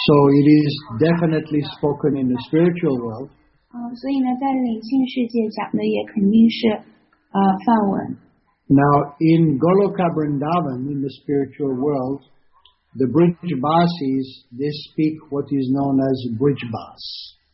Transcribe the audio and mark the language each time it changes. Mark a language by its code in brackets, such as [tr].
[en] So it is definitely spoken in the spiritual world. [zh] 所以呢，在灵性世界讲的也肯定是梵文。 [en] Now in Goloka Vrindavan, in the spiritual world. The Brijbasis, they speak what is known as Brijbas.